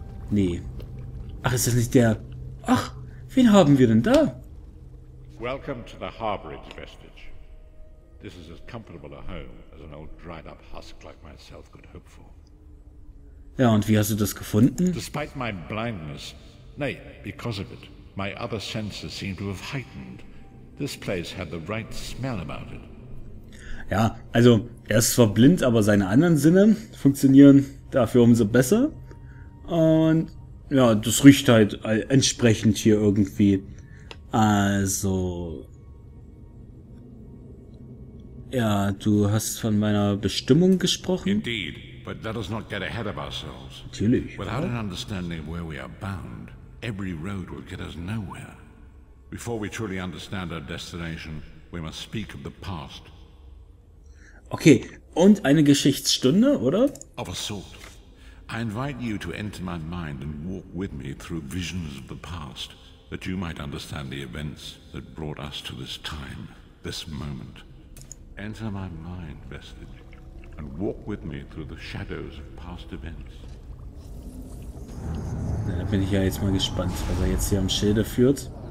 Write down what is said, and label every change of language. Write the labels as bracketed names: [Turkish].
[German] Nee. Ach, ist das nicht der... Ach, wen haben wir denn da? [English] Welcome to the Harborage Vestige. This is as comfortable a home as an old dried up husk like myself could hope for. [German] Ja, und wie hast du das gefunden? [English] Despite my blindness, nay, because of it, my other senses seem to have heightened. This place had the right smell about it. [German] Ja, also, er ist zwar blind, aber seine anderen Sinne funktionieren dafür umso besser. Und ja, das riecht halt entsprechend hier irgendwie. Also, ja, du hast von meiner Bestimmung gesprochen. [English] Indeed, but let us not get ahead of ourselves. [German] Natürlich. [English] Without an understanding of where we are bound, every road will get us nowhere. Before we truly understand our destination, we must speak of the past. [German] Okay, und eine Geschichtsstunde, oder? [English] Of a sort. I invite you to enter my mind and walk with me through visions of the past, that you might understand the events that brought us to this time, this moment. Enter my mind, Vestige, and walk with me through the shadows of past events. [German] Na, da bin ich ja jetzt mal gespannt, was er jetzt hier am Schilde führt.